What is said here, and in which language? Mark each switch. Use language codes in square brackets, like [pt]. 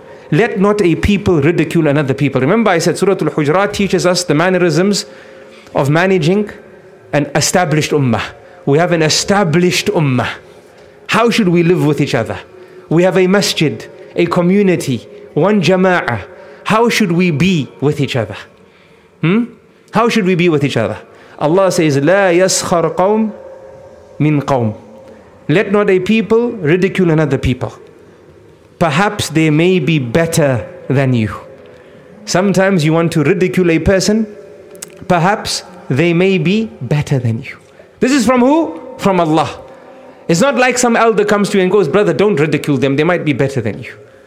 [en] Let not a people ridicule another people. Remember I said Surah Al-Hujurat teaches us the mannerisms of managing an established ummah. We have an established ummah. How should we live with each other? We have a masjid, a community, one jama'ah. How should we be with each other? How should we be with each other? Allah says, [ar] لا يسخر قوم من قوم. [en] Let not a people ridicule another people. Perhaps they may be better than you. Sometimes you want to ridicule a person. Perhaps they may be better than you. This is from who? From Allah. It's not like some elder comes to you and goes, brother, don't ridicule them. They might be better than you.